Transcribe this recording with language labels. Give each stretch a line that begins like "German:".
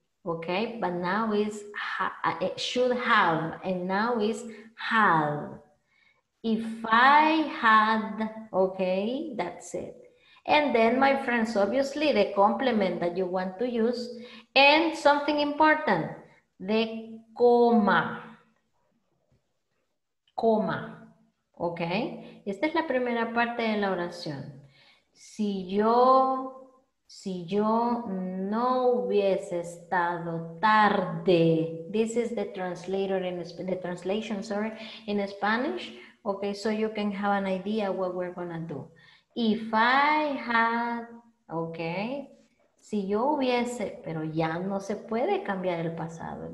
English: Okay, but now is should have, and now is have. If I had, okay, that's it. And then, my friends, obviously, the complement that you want to use, and something important, the comma. Comma, okay?
Spanish: Esta es la primera parte de la oración. Si yo no hubiese estado tarde,
English: this is the translator in the translation, sorry, in Spanish. Okay, so you can have an idea what we're gonna do. If I had, okay,
Spanish: si yo hubiese, pero ya no se puede cambiar el pasado.